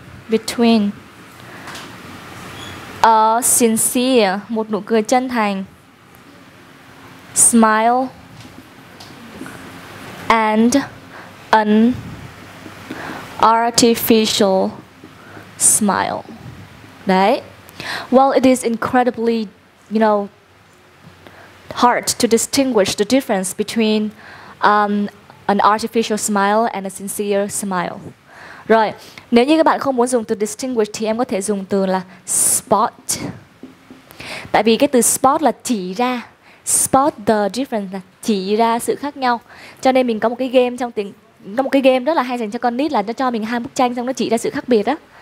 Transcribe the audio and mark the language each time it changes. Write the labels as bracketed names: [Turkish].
[English] Between a sincere, [Vietnamese] một nụ cười chân thành, [English] smile, and an artificial smile. [Vietnamese] Đấy. [English] Well, it is incredibly, you know, hard to distinguish the difference between an artificial smile and a sincere smile. [Vietnamese] Rồi, nếu như các bạn không muốn dùng từ distinguish thì em có thể dùng từ là spot. Tại vì cái từ spot là chỉ ra, [English] spot the difference [Vietnamese] là chỉ ra sự khác nhau. Cho nên mình có một cái game trong tiếng, có một cái game rất là hay dành cho con nít là nó cho mình hai bức tranh xong nó chỉ ra sự khác biệt á.